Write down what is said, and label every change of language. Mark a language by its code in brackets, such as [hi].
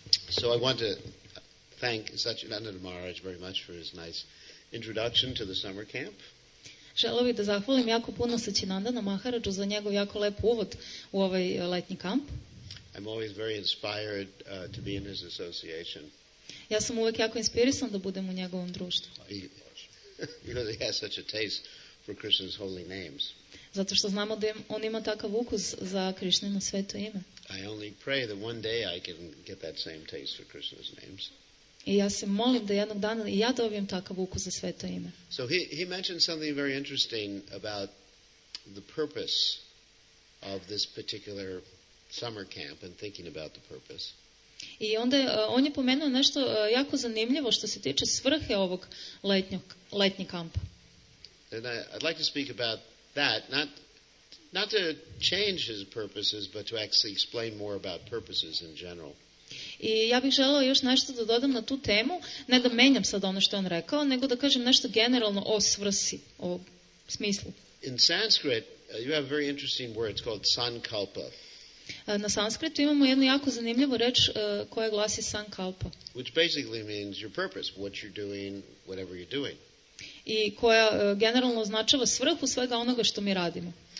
[en] So I want to thank Satchitananda Maharaj very much for his nice introduction to the summer camp. [sr] Želeo bih da zahvalim jako puno Satchitananda Maharaju za njegov jako lep uvod u ovaj letnji kamp. [en] I'm always very inspired to be in his association. [sr] Ja sam uvek jako inspirisan da budem u njegovom društvu. [en] Because he has such a taste for Krishna's holy names. [sr] Zato što znamo da on ima takav ukus za Krišnino sveto ime. [en] I only pray that one day I can get that same taste for Krishna's names. [sr] I ja se molim da jednog dana i ja dobijem takav ukus za sveto ime. [en] So he mentioned something very interesting about the purpose of this particular summer camp and thinking about the purpose. [sr] I onda on je pomenuo nešto jako zanimljivo što se tiče svrhe ovog letnjeg kampa. [en] And I'd like to speak about that, not to change his purposes, but to actually explain more about purposes in general. [sr] I ja bih želeo još nešto da dodam na tu temu, ne da menjam sad ono što on rekao, nego da kažem nešto generalno o svrsi, o smislu. [en] In Sanskrit, you have a very interesting word, it's called sankalpa. [sr] Na sanskritu imamo jednu jako zanimljivu reč koja glasi sankalpa. [en] Which basically means your purpose, what you're doing, whatever you're doing. [sr] I koja generalno označava svrhu svega onoga što mi radimo.